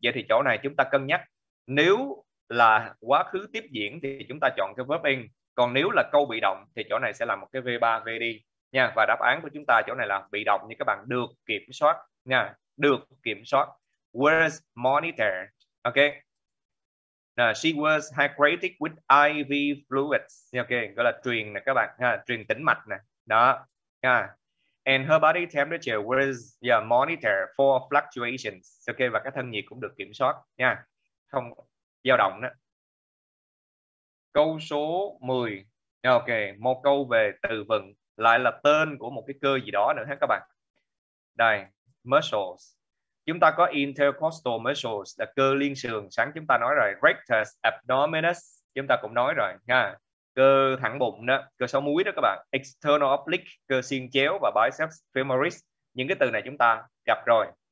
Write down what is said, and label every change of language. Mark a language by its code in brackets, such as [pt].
[vi] Vậy thì chỗ này chúng ta cân nhắc, nếu là quá khứ tiếp diễn thì chúng ta chọn cái verb in, còn nếu là câu bị động thì chỗ này sẽ là một cái V3 VD nha. Và đáp án của chúng ta chỗ này là bị động như các bạn, được kiểm soát nha, được kiểm soát. [en] Where's monitor? Ok. She was hydrated with IV fluids. [vi] Ok, gọi là truyền nè các bạn ha, truyền tĩnh mạch nè. Đó. [en] And her body temperature was monitored for fluctuations. [vi] Ok, và cái thân nhiệt cũng được kiểm soát nha. Không dao động đó. Câu số 10. Ok, một câu về từ vựng, lại là tên của một cái cơ gì đó nữa ha các bạn. Đây, muscles. Chúng ta có intercostal muscles là cơ liên sườn, sáng chúng ta nói rồi, rectus abdominis chúng ta cũng nói rồi nha, cơ thẳng bụng đó, cơ sáu múi đó các bạn, external oblique cơ xiên chéo và biceps femoris, những cái từ này chúng ta gặp rồi.